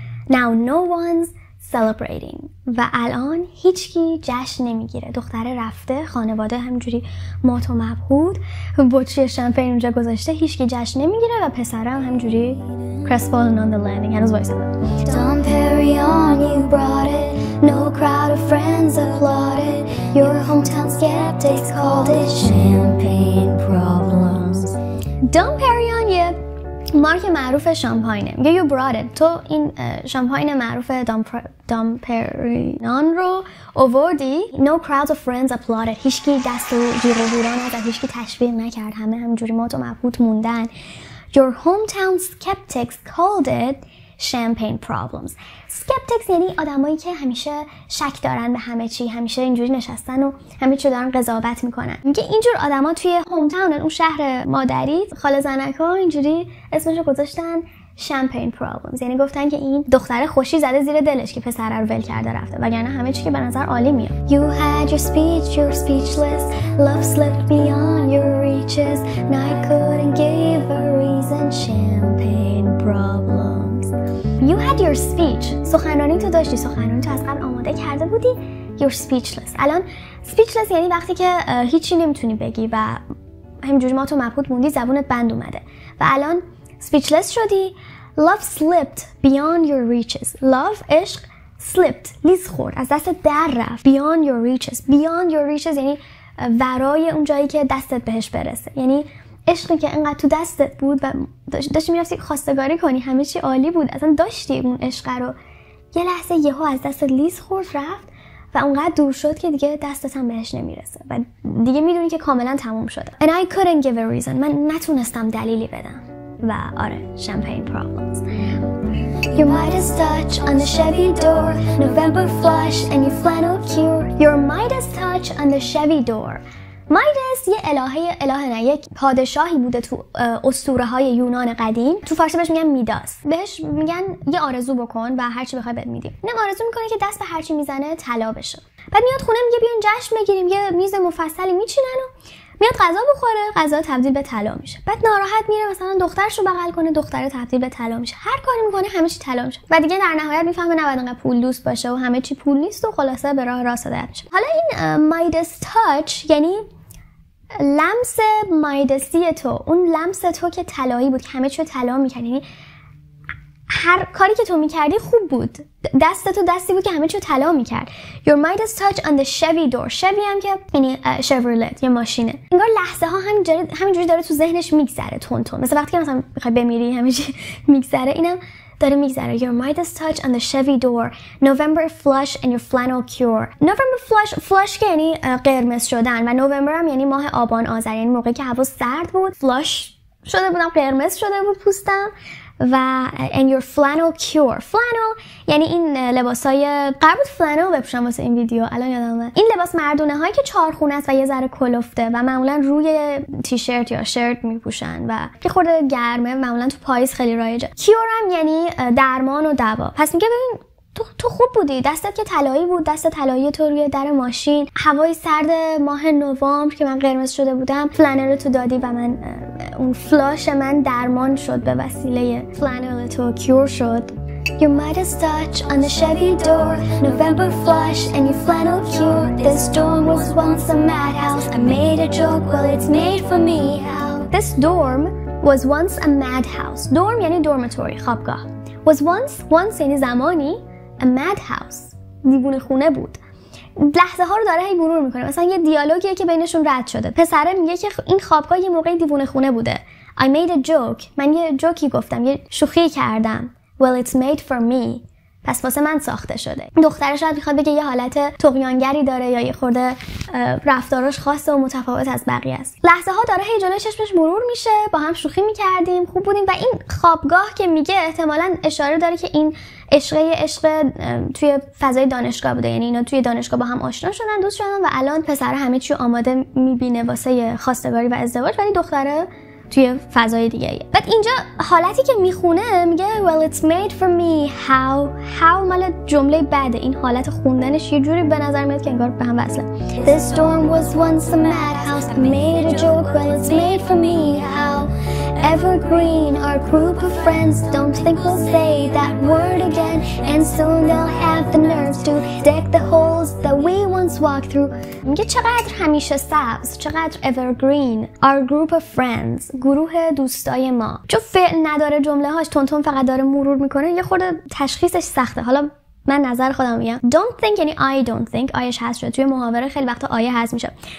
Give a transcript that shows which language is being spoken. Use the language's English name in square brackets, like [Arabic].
[English] Now no one's celebrating. [Persian] و الان هیچکی جشن نمیگیره. دختره رفته، خانواده همجوری مات و مبهود. بطری شامپاین اونجا گذاشته، هیچکی جشن نمیگیره و پسرم همجوری [English] crestfallen on the landing. [Persian] هنوز وایساده. [English] Dom Perignon you brought it. No crowd of friends applauded. Your hometown skeptics called it champagne problems. [Persian] Dom Perignon you مارک معروف شامپاینه. میگه [English] you brought it. [Persian] تو این شامپاین معروف دام پرینان رو آوردی. [English] No crowds of friends applauded. [Persian] هیچکی دست و جیغ و هورا نزد. هیچکی تشویق نکرد. همه همجوری مات و مبهوت موندن. [English] Your hometown skeptics called it champagne problems. [Persian] Skeptics یعنی آدمایی که همیشه شک دارن به همه چی، همیشه اینجوری نشستن و همه چی دارن قضاوت میکنن. میگه اینجور آدم ها توی هومتاون، اون شهر مادریت، خاله زنک ها اینجوری اسمشو گذاشتن [English] champagne problems. [Persian] یعنی گفتن که این دختره خوشی زده زیر دلش که پسره رو ول کرده رفته، وگرنه همه چی که به نظر عالی میاد. [English] You had your speech, you're speechless. Love slipped beyond your reaches. Now I couldn't give a reason. Champagne problems. You had your speech. [Persian] سخنرانی تو داشتی، سخنرانی تو از قبل آماده کرده بودی. [English] You're speechless. [Persian] الان speechless یعنی وقتی که هیچی نمیتونی بگی و همینجوری مات و مبهوت موندی، زبونت بند اومده و الان speechless شدی. [English] Love slipped beyond your reaches. [Persian] Love عشق slipped لیز خورد، از دست در رفت. [English] Beyond your reaches. Beyond your reaches [Persian] یعنی ورای اون جایی که دستت بهش برسه. یعنی عشقی که انقدر تو دستت بود و داشتی میرفتی خواستگاری کنی، همه چی عالی بود، اصلا داشتی اون عشق رو، یه لحظه یهو از دستت لیز خورد رفت و اونقدر دور شد که دیگه دستت هم بهش نمیرسه و دیگه میدونی که کاملا تموم شده. [English] And I couldn't give a reason. [Persian] من نتونستم دلیلی بدم. و آره، [English] champagne problems. Your Midas touch on the Chevy door, November flush and your flannel cure. Your Midas touch on the Chevy door. [Persian] Midas یه الهه نه، یک پادشاهی بوده تو اسطوره های یونان قدیم. تو فارسی بهش میگن میداس. بهش میگن یه آرزو بکن و هرچی بخوای بهت میدیم. نم آرزو میکنه که دست به هرچی میزنه طلا بشه. بعد میاد خونه میگه بیاین جشن بگیریم، یه میز مفصلی میچینن و میاد غذا بخوره، غذا تبدیل به طلا میشه. بعد ناراحت میره مثلا دخترشو بغل کنه، دختره تبدیل به طلا میشه. هر کاری میکنه همه چی طلا میشه. و دیگه در نهایت میفهمه نباید انقدر پول دوست باشه و همه چی پول نیست و خلاصه به راه راست هدایت میشه. حالا این مایدس تاچ یعنی لمس مایدسی تو، اون لمس تو که طلایی بود، که همه چی رو طلا میکرد. یعنی هر کاری که تو میکردی خوب بود. دست تو دستی بود که همه چی رو طلا میکرد. [English] Your Midas touch on the Chevy door. [Persian] Chevy هم که یعنی Chevrolet، یه ماشینه. انگار لحظه ها همینجوری داره تو ذهنش میگذره تون تون. مثلا وقتی که مثلا میخوای بمیری همه چی میگذره، اینم داره میگذره. [English] Your Midas touch on the Chevy door. November flush and your flannel cure. November flush، [Persian] flush که یعنی قرمز شدن و November هم یعنی ماه آبان آذر، یعنی موقعی که هوا سرد بود. Flush شده بودم، قرمز شده بود پوستم [English] و and your flannel cure. [Persian] Flannel یعنی این لباسای قربت فلانل بپوشم واسه این ویدیو. الان یادم اومد. این لباس مردونه هایی که چارخونه است و یه ذره کلفته و معمولا روی تیشرت یا شرت میپوشن و یه خورده گرمه، معمولا تو پاییز خیلی رایجه. کیور هم یعنی درمان و دوا. پس میگه ببین تو خوب بودی، دستت که طلایی بود، دست طلایی تو روی در ماشین، هوای سرد ماه نوامبر که من قرمز شده بودم فلانل تو دادی و من اون فلاش من درمان شد به وسیله فلانل تو، کیور شد. [English] Your modest touch on the Chevy door, November flush and your flannel cure. This dorm was once a madhouse, I made a joke, well it's made for me how. This dorm was once a madhouse. [Persian] Dorm یعنی dormitory، خوابگاه. [English] Was once [Persian] یعنی زمانی [English] a madhouse، [Persian] دیوونه خونه بود. لحظه ها رو داره هی مرور میکنه، مثلا یه دیالوگیه که بینشون رد شده. پسره میگه که این خوابگاه یه موقعی دیوونه خونه بوده. [English] I made a joke، [Persian] من یه جوکی گفتم، یه شوخی کردم. [English] Well it's made for me، [Persian] پس واسه من ساخته شده. دختره شاید میخواد بگه یه حالت طغیانگری داره یا یه خورده رفتارش خاصه و متفاوت از بقیه است. لحظه ها داره هی جلوی چشمش مرور میشه، با هم شوخی میکردیم، خوب بودیم. و این خوابگاه که میگه احتمالاً اشاره داره که این عشق توی فضای دانشگاه بوده، یعنی اینا توی دانشگاه با هم آشنا شدن، دوست شدن و الان پسر همه چی آماده میبینه واسه خواستگاری و ازدواج، ولی دختره توی فضای دیگه ایه. بعد اینجا حالتی که میخونه میگه [English] Well it's made for me how [Persian] مال جمله بعده. این حالت خوندنش یه جوری به نظر میاد که انگار به هم وصله. [English] This storm was once a madhouse, I made a joke, well it's made for me how. Evergreen, our group of friends, don't think we'll say that word again, and soon they'll have the nerves to deck the holes that we once walked through. [Persian] میگه چقدر همیشه سبز، چقدر [English] evergreen, our group of friends، [Persian] گروه دوستای ما. چون فعل نداره جمله هاش، تونتون فقط داره مرور میکنه، یه خورده تشخیصش سخته. حالا من نظر خودم میگم [English] don't think، [Persian] یعنی [English] I don't think، [Persian] آیش هست شد توی محاوره خیلی وقتا آیه هست میشه.